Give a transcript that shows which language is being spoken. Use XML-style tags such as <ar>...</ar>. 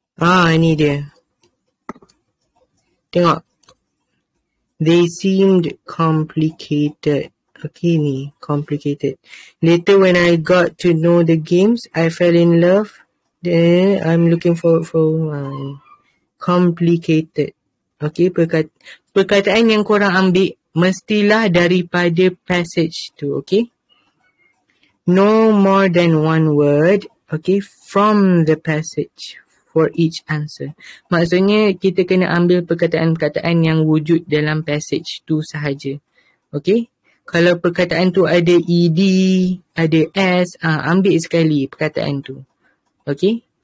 <ms>Ah, ini dia.</ms> <en>Tengok. They seemed complicated.</en> <ms>Okay, ni complicated.</ms> <en>Later when I got to know the games, I fell in love. Then I'm looking forward for complicated.</en> <ms>Okay, perkataan yang korang ambil mestilah daripada passage tu, okay?</ms> <en>No more than one word, okay, from the passage for each answer.</en> <ms>Maksudnya, kita kena ambil perkataan-perkataan yang wujud dalam passage tu sahaja, okay? Kalau perkataan tu ada ED, ada S, ambil sekali perkataan tu, okay?</ms>